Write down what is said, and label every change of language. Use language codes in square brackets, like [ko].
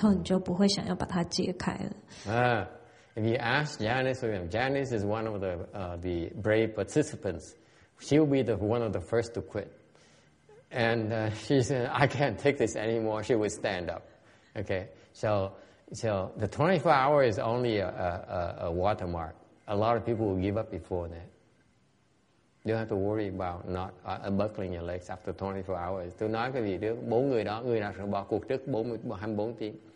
[zh] 他的问题是说，24小时都要盘坐，那我们可不可以在24小时以后解开？那法师就是说，相信我，等你能够盘坐24小时以后，你就不会想要把它解开了。 [en] If you ask Janice William, Janice is one of the brave participants. She'll be one of the first to quit. And she said, I can't take this anymore. She would stand up. Okay, So the 24 hours is only a watermark. A lot of people will give up before that. You don't have to worry about not unbuckling your legs after 24 hours. [vi] Tôi nói cái gì đó, bốn người đó, người nào sẽ bỏ cuộc trước 24 tiếng.